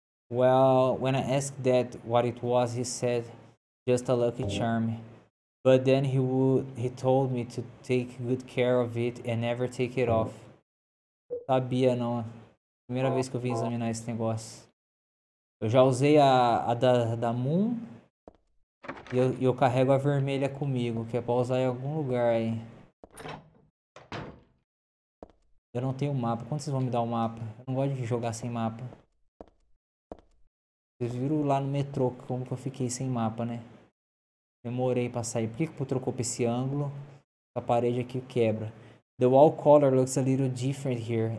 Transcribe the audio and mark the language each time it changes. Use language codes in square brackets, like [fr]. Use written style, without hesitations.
[en] Well, when I asked Dad what it was, he said, just a lucky charm. But then he told me to take good care of it and never take it off. [pt] Sabia, não. Primeira vez que eu vim examinar esse negócio. Eu já usei a da Moon. E eu carrego a vermelha comigo, que é pra usar em algum lugar aí. Eu não tenho mapa. Quando vocês vão me dar um mapa? Eu não gosto de jogar sem mapa. Vocês viram lá no metrô como que eu fiquei sem mapa, né? Demorei pra sair. Por que que eu trocou pra esse ângulo? A parede aqui quebra. [en] The wall color looks a little different here.